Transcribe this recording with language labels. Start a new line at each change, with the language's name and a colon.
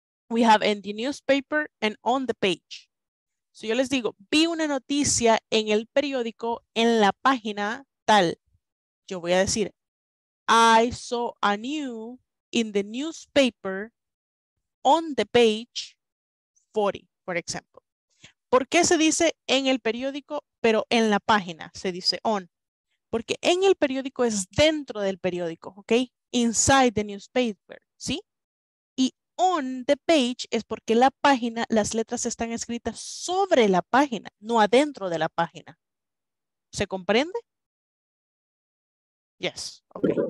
English: We have in the newspaper and on the page.
Spanish: So yo les digo, vi una noticia en el periódico en la página tal. Yo voy a decir,
English: I saw a new in the newspaper on the page 40, for example.
Spanish: ¿Por qué se dice en el periódico, pero en la página se dice on? Porque en el periódico es dentro del periódico, ¿ok?
English: Inside the newspaper,
Spanish: ¿sí? Y on the page es porque la página, las letras están escritas sobre la página, no adentro de la página. ¿Se comprende?
English: Yes, ok.